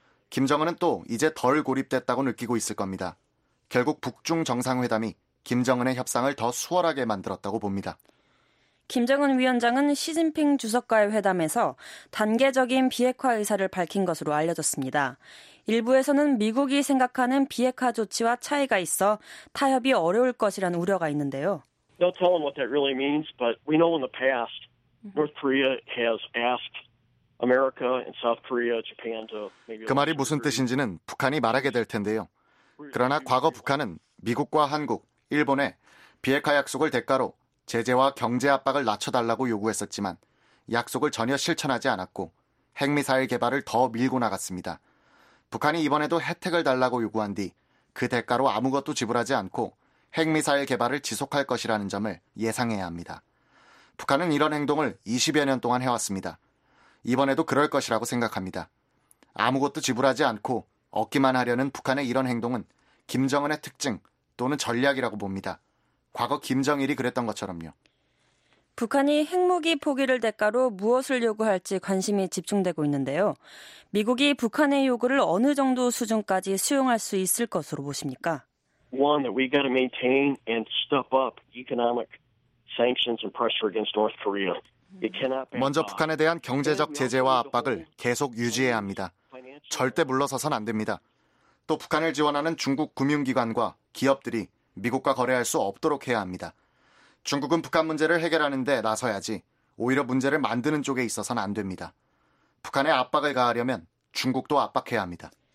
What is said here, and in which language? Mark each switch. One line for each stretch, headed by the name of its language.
Korean: 김정은은 또 이제 덜 고립됐다고 느끼고 있을 겁니다. 결국 북중 정상회담이 김정은의 협상을 더 수월하게 만들었다고 봅니다. 김정은 위원장은 시진핑 주석과의 회담에서 단계적인 비핵화 의사를 밝힌 것으로 알려졌습니다. 일부에서는 미국이 생각하는 비핵화 조치와 차이가 있어 타협이 어려울 것이란 우려가 있는데요.
English: No telling what that really means, but we know in the past North Korea has asked America and South Korea, Japan to maybe
Korean: 그 말이 무슨 뜻인지는 북한이 말하게 될 텐데요. 그러나 과거 북한은 미국과 한국, 일본에 비핵화 약속을 대가로 제재와 경제 압박을 낮춰달라고 요구했었지만 약속을 전혀 실천하지 않았고 핵미사일 개발을 더 밀고 나갔습니다. 북한이 이번에도 혜택을 달라고 요구한 뒤 그 대가로 아무것도 지불하지 않고 핵미사일 개발을 지속할 것이라는 점을 예상해야 합니다. 북한은 이런 행동을 20여 년 동안 해왔습니다. 이번에도 그럴 것이라고 생각합니다. 아무것도 지불하지 않고 얻기만 하려는 북한의 이런 행동은 김정은의 특징 또는 전략이라고 봅니다. 과거 김정일이 그랬던 것처럼요. 북한이 핵무기 포기를 대가로 무엇을 요구할지 관심이 집중되고 있는데요. 미국이 북한의 요구를 어느 정도 수준까지 수용할 수 있을 것으로 보십니까?
English: One that we got to maintain and step up economic sanctions and pressure against North Korea.
Korean: 먼저 북한에 대한 경제적 제재와 압박을 계속 유지해야 합니다. 절대 물러서선 안 됩니다. 또 북한을 지원하는 중국 금융기관과 기업들이 미국과 거래할 수 없도록 해야 합니다. 중국은 북한 문제를 해결하는 데 나서야지 오히려 문제를 만드는 쪽에 있어서는 안 됩니다. 북한에 압박을 가하려면 중국도 압박해야 합니다.